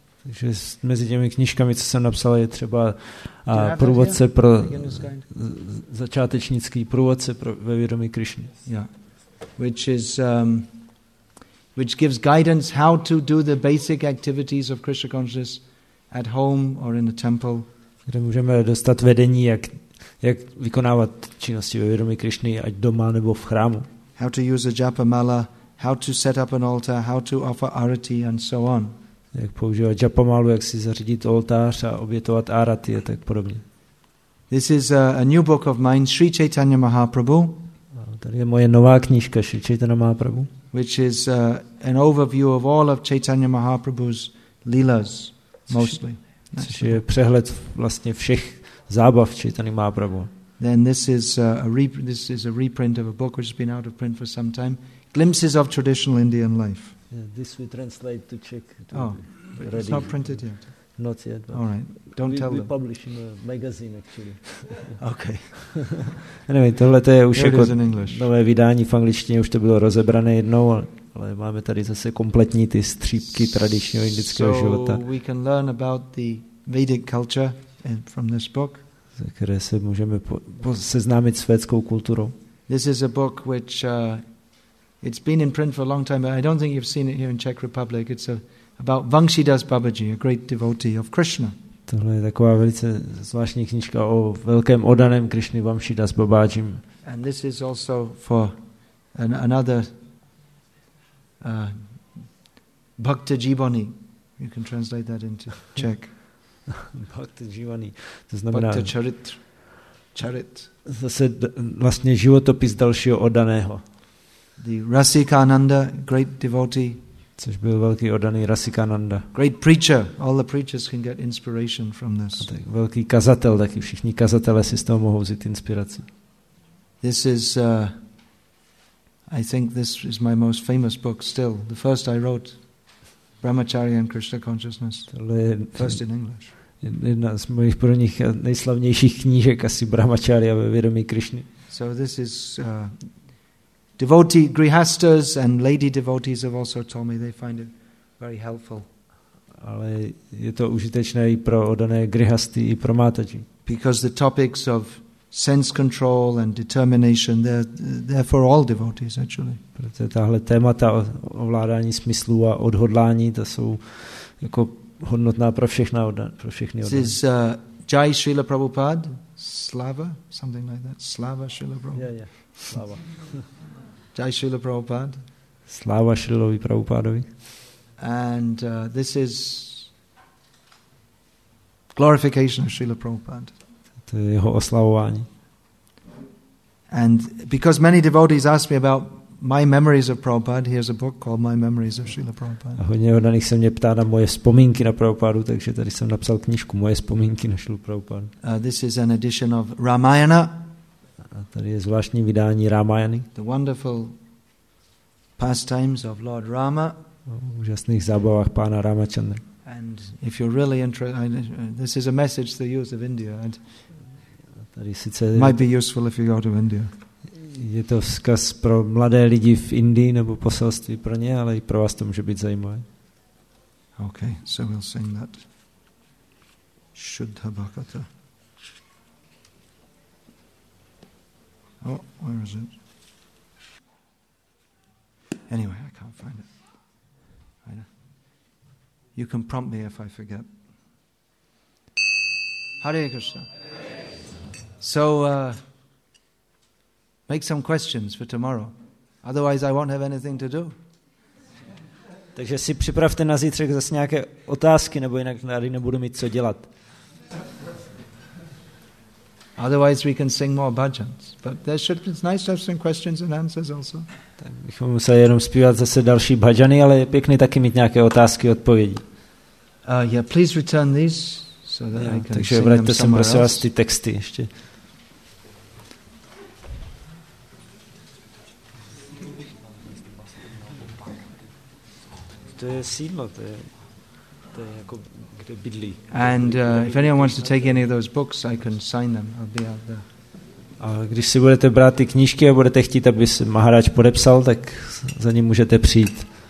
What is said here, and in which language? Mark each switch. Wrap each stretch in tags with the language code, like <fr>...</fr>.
<cs>Takže mezi těmi knížkami, co jsem napsal, je třeba průvodce pro začátečnický průvodce pro ve vědomí Krišny.</cs> <en>Yeah. Which gives guidance how to do the basic activities of Krishna consciousness at home or in the temple.</en> <cs>Kde můžeme dostat vedení, jak vykonávat činnosti ve vědomí Krišny, ať doma nebo v chrámu.</cs> <en>How to use a japa mala, how to set up an altar, how to offer arati and so on.</en> <cs>Jak používat japamalu, jak si zařídit oltář a obětovat árati a tak podobně.</cs> <en>This is a new book of mine, Sri Chaitanya Mahaprabhu.</en> <cs>Tady je moje nová knížka, Sri Chaitanya Mahaprabhu.</cs> <en>Which is an overview of all of Chaitanya Mahaprabhu's leelas, mostly.</en> <cs>Což je přehled vlastně všech zábav Chaitanya Mahaprabhu.</cs> <en>Then this is a reprint of a book which has been out of print for some time, Glimpses of Traditional Indian Life. Yeah, this we translate to Czech. To it's not printed yet. Not yet. All right. Don't tell we them. We publish in a magazine, actually. Okay.</en> <cs>Anyway, tohle to je už jako nové vydání v angličtině, už to bylo rozebrané jednou, ale máme tady zase kompletní ty střípky tradičního indického života.</cs> <en>So we can learn about the Vedic culture from this book.</en> <cs>Ze které se můžeme seznámit s védskou kulturou.</cs> <en>This is a book which... It's been in print for a long time, but I don't think you've seen it here in Czech Republic. It's about Vamsidas Babaji, a great devotee of Krishna.</en> <cs>Tohle je taková velice zvláštní knížka o velkém oddaném Krišny Vamsidas Babaji.</cs> <en>And this is also for another Bhakta Jivani. You can translate that into Czech.</en> <cs>Bhakta Jivani. To znamená Bhakta Charit. Zase vlastně životopis dalšího oddaného.</cs> <en>The Rasikananda, great devotee.</en> <cs>Což byl velký oddaný Rasikananda.</cs> <en>Great preacher. All the preachers can get inspiration from this.</en> <cs>A tak velký kazatel, taky všichni kazatelé si z toho mohou vzít inspiraci.</cs> <en>This is, I think this is my most famous book still. The first I wrote, Brahmacharya and Krishna Consciousness. First in English.</en> <cs>Jedna z mojich prvních nejslavnějších knížek, asi Brahmacharya ve vědomí Krišny.</cs> <en>So this is... Devotee, grihastas and lady devotees have also told me they find it very helpful.</en> <cs>Ale je to užitečné i pro odané grihasty i pro mátaji.</cs> <en>Because the topics of sense control and determination, they're for all devotees actually.</en> <cs>Protože tahle témata ovládání smyslu a odhodlání, to jsou jako hodnotná pro všechny odané, pro všechny odané.</cs> <en>This is Jai Srila Prabhupada, Slava, something like that.</en> <cs>Slava Srila Prabhupada.</cs> <en>Yeah, yeah. Slava. Jai Srila Prabhupada.</en> <cs>Slava Srilovi Prabhupadovi.</cs> <en>And this is glorification of Srila Prabhupada.</en> <cs>To je jeho oslavování.</cs> <en>And because many devotees ask me about my memories of Prabhupada, here's a book called My Memories of Srila Prabhupada.</en> <cs>A hodně odaných se mě ptá na moje vzpomínky na Prabhupadu, takže tady jsem napsal knížku Moje vzpomínky na Srila Prabhupadu.</cs> <en>This is an edition of Ramayana.</en> <cs>A tady je zvláštní vydání Ramayany.</cs> <en>The wonderful pastimes of Lord Rama.</en> <cs>O úžasných zábavách pána Ramachandra.</cs> <en>And if you're really interested, this is a message to the youth of India. And</en> <cs>tady sice</cs> <en>might be useful if you go to India.</en> <cs>Je to vzkaz pro mladé lidi v Indii nebo poselství pro ně, ale i pro vás to může být zajímavé.</cs> <en>Okay, so we'll sing that. Shuddha Bhakata. Oh, where is it? Anyway, I can't find it. You can prompt me if I forget. Hare Krishna. So, make some questions for tomorrow. Otherwise, I won't have anything to do.</en> <cs>Takže si připravte na zítřek zase nějaké otázky, nebo jinak tady nebudu mít co dělat.</cs> <en>Otherwise, we can sing more bhajans. But there should be nice to have some questions and answers also.</en> <cs>Tak bychom museli jenom zpívat zase další bhajany, ale je pěkný taky mít nějaké otázky, odpovědi.</cs> <en>Yeah, please return these so that yeah, I can</en> <cs>takže vraťte sem prosím vás ty texty ještě. To je sídlo, to je jako kde bydlí.</cs> <en>And if anyone wants to take any of those books, I can sign them. I'll be out there.</en> <cs>A když si budete brát ty knížky a budete chtít, aby se Maharaj podepsal, tak za ním můžete přijít.</cs>